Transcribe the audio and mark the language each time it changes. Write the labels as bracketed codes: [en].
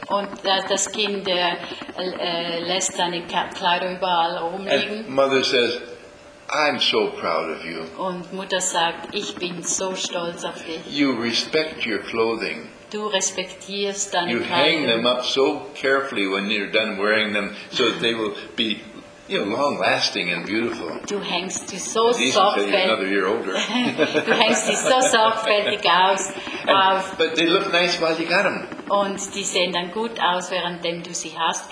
[de] Und das Kind lässt seine Kleider überall rumliegen. [en] And mother says, I'm so proud of you. [de] Und Mutter sagt, ich bin so stolz auf dich. [en] You respect your clothing. [de] Du respektierst deine [en] you [de] Kleidung. [en] Hang them up so carefully when you're done wearing them, so that they will be, you know, long-lasting and beautiful. [de] Du hängst sie so sorgfältig. [en] You're another year older. [de] Du hängst sie so sorgfältig aus. [en] But they look nice while you got them. [de] Und die sehen dann gut aus, während du sie hast.